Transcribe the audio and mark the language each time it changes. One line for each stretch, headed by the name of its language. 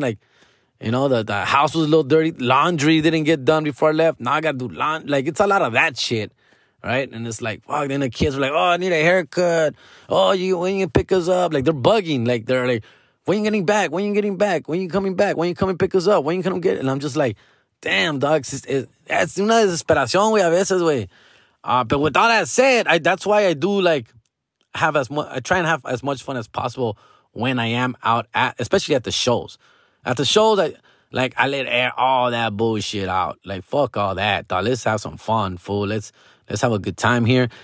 English: Like, you know, the house was a little dirty. Laundry didn't get done before I left. Now I got to do laundry. Like, it's a lot of that shit, right? And it's like, fuck. Then the kids are like, oh, I need a haircut. Oh, when you pick us up? Like, they're bugging. Like, they're like, when you getting back? When you getting back? When you coming back? When you coming pick us up? When you come get? And I'm just like, damn, dog. It's
Spanish: una desesperación, güey, a veces, güey.
English: But with all that said, that's why I do, like, I try and have as much fun as possible when I am out, especially at the shows. At the shows, I let all that bullshit out. Like, fuck all that, dog. Let's have some fun, fool. Let's have a good time here.